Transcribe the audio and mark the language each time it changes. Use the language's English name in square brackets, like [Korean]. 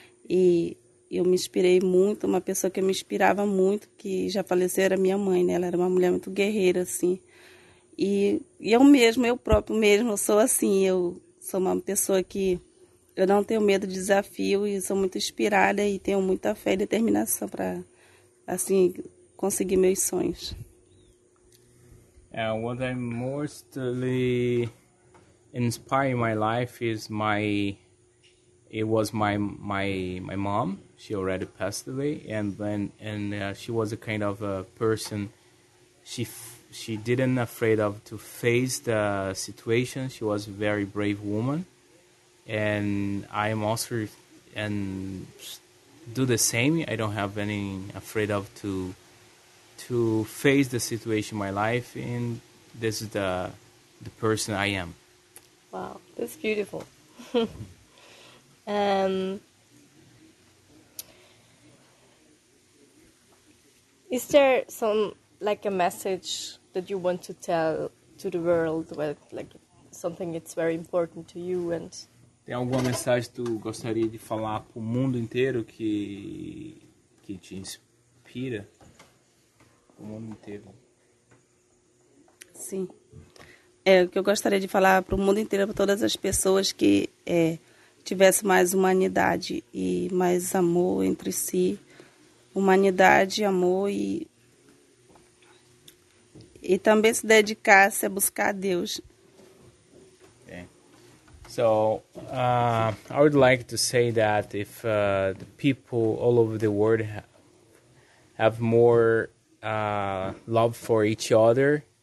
[Portuguese] E eu me inspirei muito, uma pessoa que eu me inspirava muito, que já faleceu, era minha mãe, né? Ela era uma mulher muito guerreira, assim. E eu próprio mesmo, sou assim, eu sou uma pessoa que eu não tenho medo de desafio e sou muito inspirada e tenho muita fé e determinação para, assim, conseguir meus sonhos. [English] What I mostly inspire in my life is my... It was my mom. She already passed away, and she was a kind of a person. She didn't afraid of to face the situation. She was a very brave woman, and I am also and do the same. I don't have any afraid of to face the situation in my life, and this is the person I am. Wow, that's beautiful. Is there some like a message that you want to tell to the world, with like something that's very important to you? And [Portuguese] tem alguma mensagem que tu gostaria de falar pro mundo inteiro que te inspira? O mundo inteiro. Sim. É o que eu gostaria de falar pro mundo inteiro, para todas as pessoas que tivesse mais humanidade e mais amor entre si. Humanidade, amor e também se dedicasse a buscar a Deus. [English] Okay. So, I would like to say that if the people all over the world have more love for each other